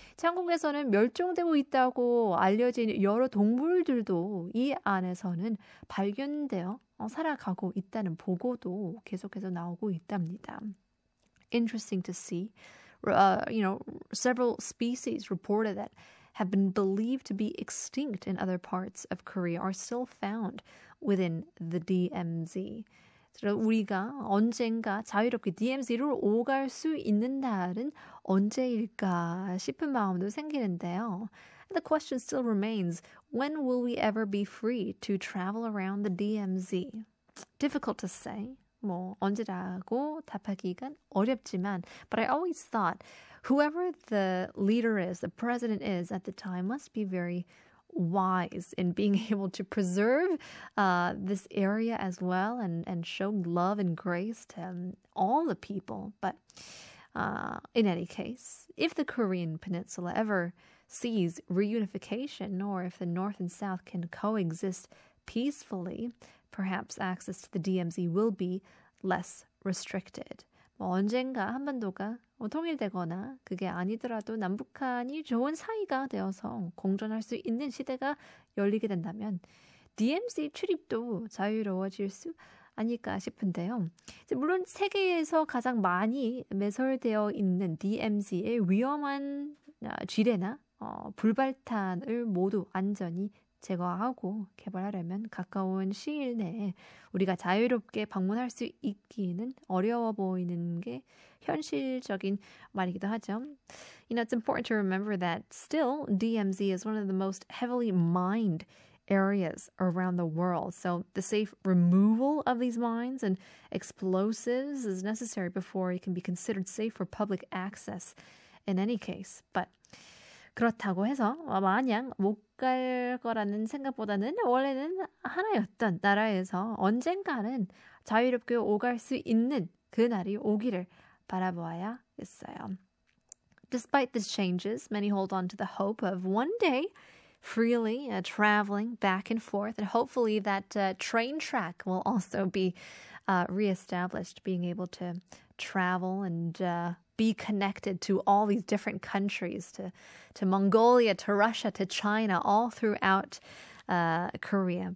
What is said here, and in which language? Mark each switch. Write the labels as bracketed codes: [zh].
[ko] 한국에서는 멸종되고 있다고 알려진 여러 동물들도 이 안에서는 발견되어 살아가고 있다는 보고도 계속해서 나오고 있답니다. [en] Interesting to see, you know, several species reported that have been believed to be extinct in other parts of Korea are still found within the DMZ. [ko] 우리가 언젠가 자유롭게 DMZ를 오갈 수 있는 날은 언제일까 싶은 마음도 생기는데요. [en] And the question still remains, when will we ever be free to travel around the DMZ? Difficult to say. [ko] 뭐 언제라고 답하기가 어렵지만, [en] but I always thought, whoever the leader is, the president is at the time, must be very wise in being able to preserve this area as well and show love and grace to all the people. But in any case, if the Korean Peninsula ever sees reunification, or if the North and South can coexist peacefully, perhaps access to the DMZ will be less restricted. [ko] 뭐 언젠가 한반도가 통일되거나 그게 아니더라도 남북한이 좋은 사이가 되어서 공존할 수 있는 시대가 열리게 된다면 DMZ 출입도 자유로워질 수 아닐까 싶은데요. 물론 세계에서 가장 많이 매설되어 있는 DMZ의 위험한 지뢰나 불발탄을 모두 안전히 제거하고 개발하려면 가까운 시일 내에 우리가 자유롭게 방문할 수 있기는 어려워 보이는 게 현실적인 말이기도 하죠. [en] You know, it's important to remember that still DMZ is one of the most heavily mined areas around the world. So the safe removal of these mines and explosives is necessary before it can be considered safe for public access in any case. [ko] But 그렇다고 해서 마냥 못 갈 거라는 생각보다는 원래는 하나였던 나라에서 언젠가는 자유롭게 오갈 수 있는 그날이 오기를 바라보아야 했어요. [en] Despite these changes, many hold on to the hope of one day freely traveling back and forth, and hopefully that train track will also be reestablished, being able to travel and be connected to all these different countries, to Mongolia, to Russia, to China, all throughout Korea.